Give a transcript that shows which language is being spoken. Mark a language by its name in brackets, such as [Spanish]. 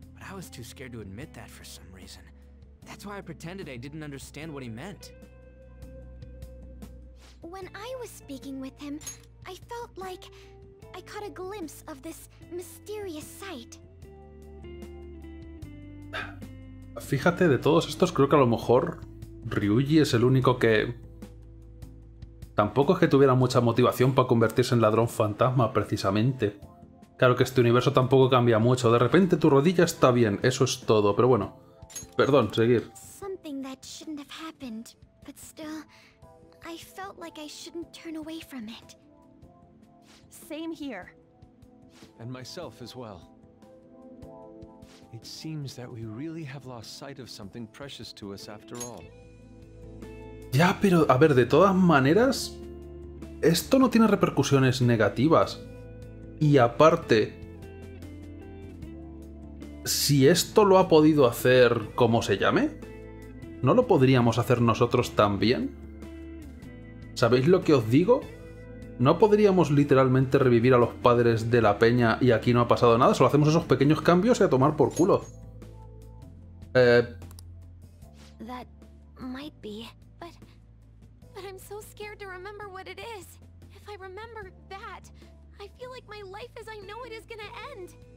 [English] But I was too scared to admit that for some reason. That's why I pretended I didn't understand what he meant. When I was speaking with him, I felt like I caught a glimpse of this mysterious sight. [Spanish] Fíjate, de todos estos creo que a lo mejor Ryuji es el único que... Tampoco es que tuviera mucha motivación para convertirse en ladrón fantasma, precisamente. Claro que este universo tampoco cambia mucho. De repente tu rodilla está bien, eso es todo, pero bueno. Perdón, seguir. [English] Something that shouldn't have happened, but still, I felt like I shouldn't turn away from it. Same here. And myself as well. It seems that we really have lost sight of something precious to us after all. [Spanish] Ya, pero a ver, de todas maneras, esto no tiene repercusiones negativas. Y aparte, si esto lo ha podido hacer, ¿cómo se llame? ¿No lo podríamos hacer nosotros también? ¿Sabéis lo que os digo? ¿No podríamos literalmente revivir a los padres de la peña y aquí no ha pasado nada? Solo hacemos esos pequeños cambios y a tomar por culo. [English] That might be, but I'm so scared to remember what it is. If I remember that, I feel like my life as I know it is gonna end.